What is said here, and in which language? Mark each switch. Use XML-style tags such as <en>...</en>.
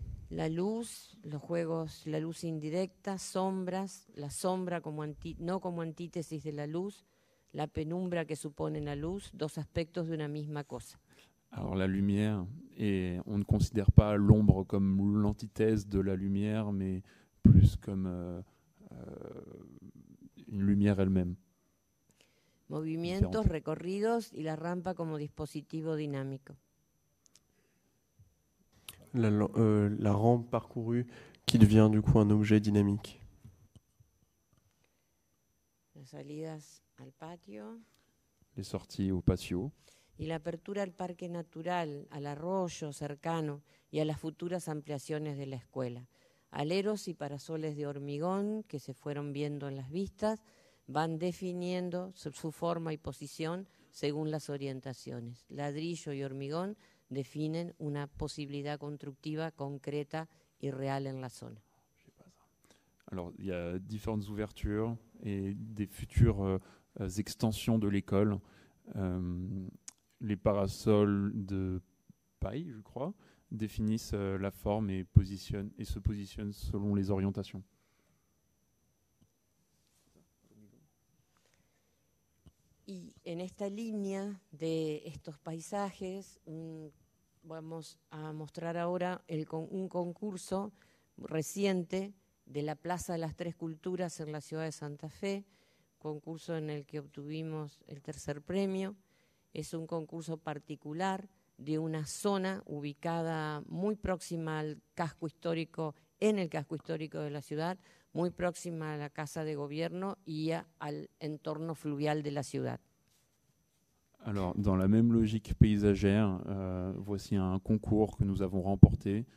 <es>La luz, los juegos, la luz indirecta, sombras, la sombra como no como antítesis de la luz, la penumbra que supone la luz, dos aspectos de una misma cosa.</es> <fr>Alors la lumière, et on ne considère pas l'ombre comme l'antithèse de la lumière, mais plus comme une lumière elle-même.</fr> <es>Movimientos, recorridos y la rampa como dispositivo dinámico.</es> <fr>La rampe parcourue qui devient du coup un objet dynamique.</fr> <es>Las salidas al patio.</es> <fr>Les sorties au patio.</fr> <es>Y la apertura al parque natural, al arroyo cercano y a las futuras ampliaciones de la escuela. Aleros y parasoles de hormigón que se fueron viendo en las vistas van definiendo su forma y posición según las orientaciones. Ladrillo y hormigón definen una posibilidad constructiva concreta y real en la zona.</es> <fr>Alors, il y a différentes ouvertures et des futures extensions de l'école. Les parasols de paille, je crois, définissent la forme et se positionnent selon les orientations.</fr> <es>Y en esta línea de estos paisajes, vamos a mostrar ahora un concurso reciente de la Plaza de las Tres Culturas en la ciudad de Santa Fe, concurso en el que obtuvimos el tercer premio. Es un concurso particular de una zona ubicada muy próxima al casco histórico, en el casco histórico de la ciudad, muy próxima a la Casa de Gobierno y al entorno fluvial de la ciudad.</es> <fr>Alors, dans la même logique paysagère, voici un concours que nous avons remporté.</fr>